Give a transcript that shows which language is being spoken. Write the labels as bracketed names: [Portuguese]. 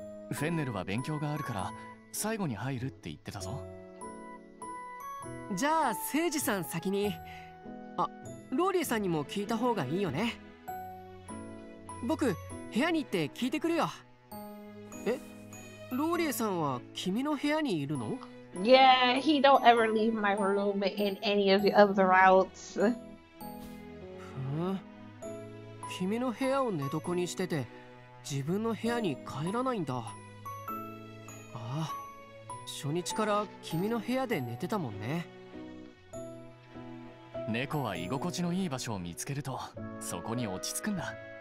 [Japanese] フェンネルは勉強があるから最後に入るって言ってたぞ。じゃあ聖司さん先に。あ、ローリエさんにも聞いた方がいいよね。僕部屋に行って聞いてくるよ。え、ローリエさんは君の部屋にいるの？ [English] Yeah, he don't ever leave my room in any of the other routes. [Japanese] ふん、君の部屋を寝床にしてて自分の部屋に帰らないんだ。ああ、初日から君の部屋で寝てたもんね。猫は居心地のいい場所を見つけるとそこに落ち着くんだ。